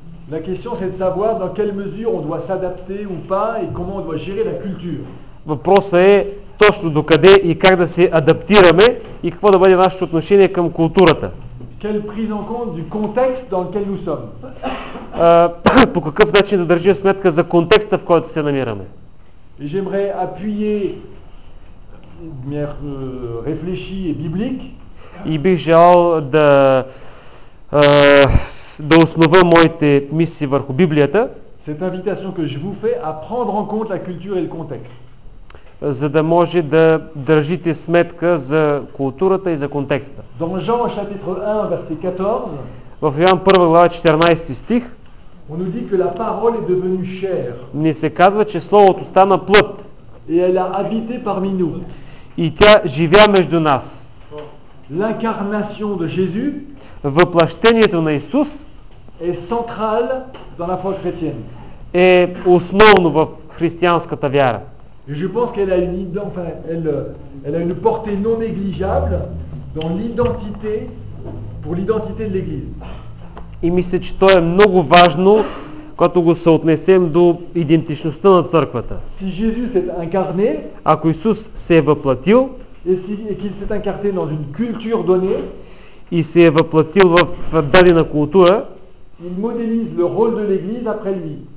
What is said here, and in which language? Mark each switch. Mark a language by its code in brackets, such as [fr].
[fr] La question c'est de savoir dans quelle mesure on doit s'adapter ou pas et comment on doit gérer la culture. [bg] Въпросът е точно докъде и как да се адаптираме и какво да бъде нашето отношение към културата. [fr] Quelle prise en compte du contexte dans lequel nous sommes. [bg] По какъв начин да държим сметка за контекста, в който се намираме. [fr] J'aimerais appuyer mes réfléchis et biblique. [bg] И бих желал да да основа моите мисли върху Библията. [fr] Cette invitation que je vous fais à prendre en compte la culture et le contexte. [bg] За да може да държите сметка за културата и за контекста. [fr] Dans Jean chapitre 1 verset 14. [bg] В Йоан 1 глава 14 стих. [fr] On nous dit que la parole est devenue chair. [bg] Ни се казва, че словото стана плът. [fr] Et elle a habité parmi nous. [bg] И тя живя между нас. [fr] L'incarnation de Jésus. [bg] Въплъщението на Исус [fr] est central dans la foi chrétienne. [bg] Е основно в християнската вяра. [fr] Et je pense qu'elle a une elle a une portée non négligeable dans l'identité pour l'identité de l'église. [bg] И мисля, че то е много важно, когато го съотнесем до идентичността на църквата. [fr] Si Jésus s'est incarné, [bg] ако Исус се е въплатил, [fr] et qu'il s'est incarné dans une culture donnée, [bg] и се е въплатил в дадена култура, [fr] il modélise le rôle de l'église après lui.